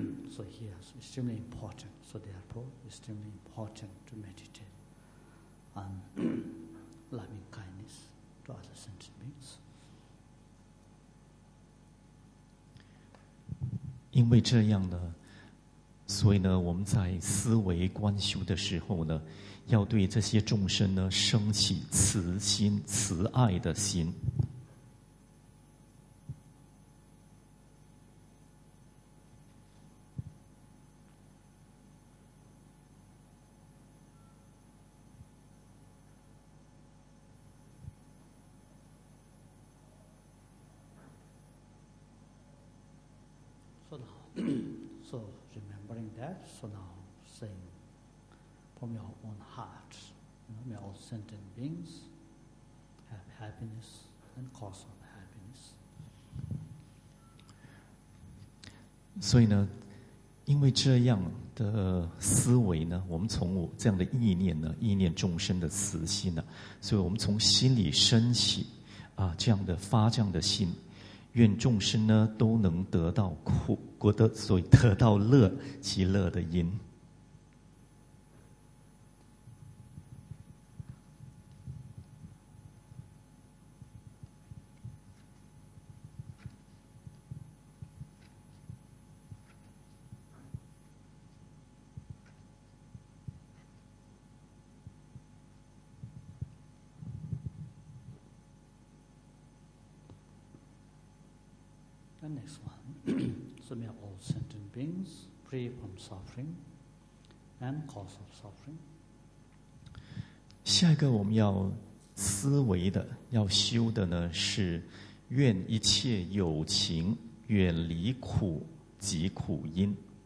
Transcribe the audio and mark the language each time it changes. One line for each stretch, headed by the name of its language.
English: So here is extremely important. So therefore, extremely important to meditate on loving kindness to other sentient beings.
Chinese: 因为这样呢，所以呢，我们在思维观修的时候呢，要对这些众生呢升起慈心、慈爱的心。
English: So now, saying from your own heart, you know, may all sentient beings have happiness and cause of happiness.
Chinese: 所以呢，因为这样的思维呢，我们从这样的意念呢，意念众生的慈心呢，所以我们从心里升起啊，这样的发这样的心，愿众生呢都能得到苦。所以得到乐其乐的因。
English: And next one. So may all sentient beings free from suffering and cause of suffering.
Chinese: 下一个我们要思维的要修的呢是愿一切有情远离苦及苦因。